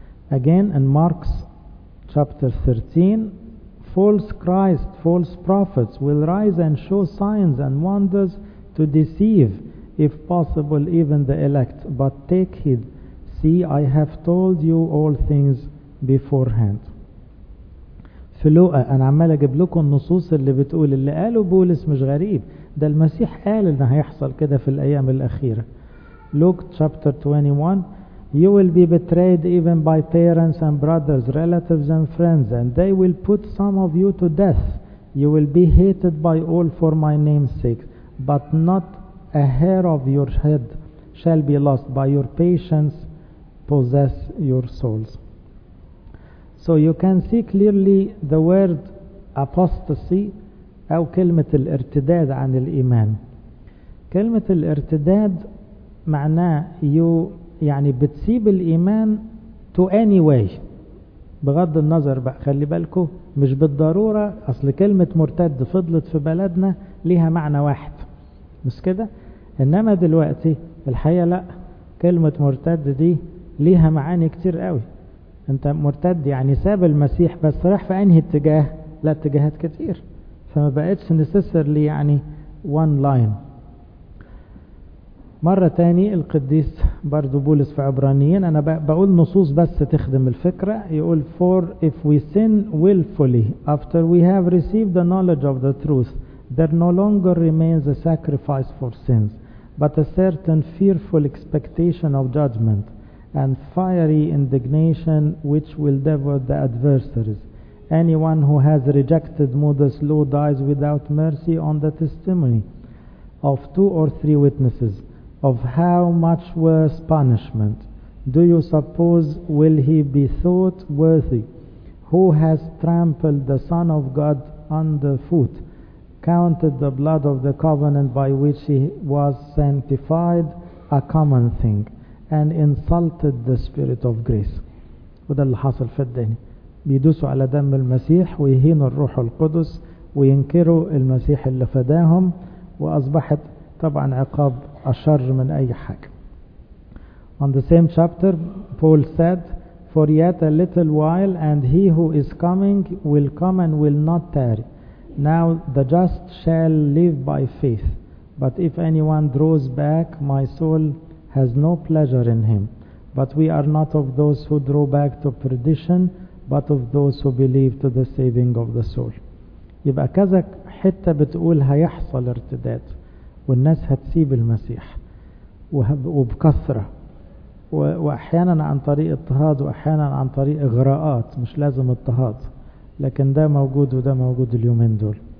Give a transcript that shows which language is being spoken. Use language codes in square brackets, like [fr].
[en] Again in Mark's chapter 13, false Christ, false prophets will rise and show signs and wonders to deceive, if possible, even the elect. But take heed, see, I have told you all things beforehand. [ar] في لوقا، أنا عمال أجيب لكم النصوص اللي بتقول، اللي قاله بولس مش غريب، ده المسيح قال إنه هيحصل كده في الأيام الأخيرة. [en] Luke chapter 21، You will be betrayed even by parents and brothers, relatives and friends, and they will put some of you to death. You will be hated by all for my name's sake, but not a hair of your head shall be lost. By your patience possess your souls. So you can see clearly the word apostasy [ar] أو كلمة الارتداد عن الإيمان. كلمة الارتداد معناه يعني بتسيب الإيمان to any way، بغض النظر بقى خلي بالكو مش بالضرورة، أصل كلمة مرتد فضلت في بلدنا ليها معنى واحد بس كده، إنما دلوقتي الحقيقة لا، كلمة مرتد دي ليها معاني كتير قوي. أنت مرتد يعني ساب المسيح بس راح في أنهي اتجاه؟ لا اتجاهات كتير، فما بقتش necessarily يعني one line. [en] مرة تاني القديس برضو بولس في عبرانيين، أنا بقول نصوص بس تخدم الفكرة، يقول for if we sin willfully after we have received the knowledge of the truth there no longer remains a sacrifice for sins but a certain fearful expectation of judgment and fiery indignation which will devour the adversaries. Anyone who has rejected Moses' law dies without mercy on the testimony of two or three witnesses of how much worse punishment do you suppose will he be thought worthy who has trampled the Son of God underfoot, counted the blood of the covenant by which he was sanctified a common thing, and insulted the Spirit of grace. [ar] وده اللي حصل في الدنيا، بيدوسوا على دم المسيح ويهينوا الروح القدس وينكروا المسيح اللي فداهم، وأصبحت طبعا عقاب أشر من أي حاجة. [en] On the same chapter Paul said for yet a little while and he who is coming will come and will not tarry. Now the just shall live by faith but if anyone draws back my soul has no pleasure in him. But we are not of those who draw back to perdition but of those who believe to the saving of the soul. [ar] يبقى كذا حتى بتقول هيحصل ارتداد والناس هتسيب المسيح وبكثرة، وأحيانا عن طريق اضطهاد وأحيانا عن طريق إغراءات، مش لازم اضطهاد، لكن ده موجود وده موجود اليومين دول.